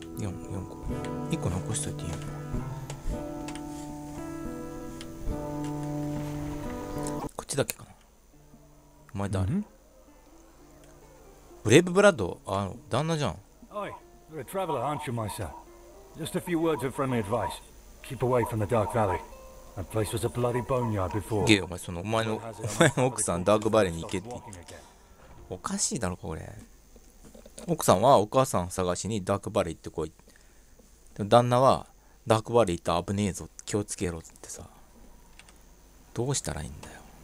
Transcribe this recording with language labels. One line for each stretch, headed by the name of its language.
Japanese: 4個、1個残しといていいよ。こっちだけかな。お前誰？ブレイブブラッド、あの旦那じゃん。
English: おい、you're a traveler, aren't you, my son? Just a few words of friendly advice. Keep away from the Dark Valley. That place was a bloody boneyard before.
Japanese: ゲイ、お前そのお前の奥さんダークバレーに行けって。おかしいだろこれ。奥さんはお母さん探しにダークバレー行ってこい。でも旦那はダークバレー行ったら危ねえぞ、気をつけろってさ。どうしたらいいんだよ。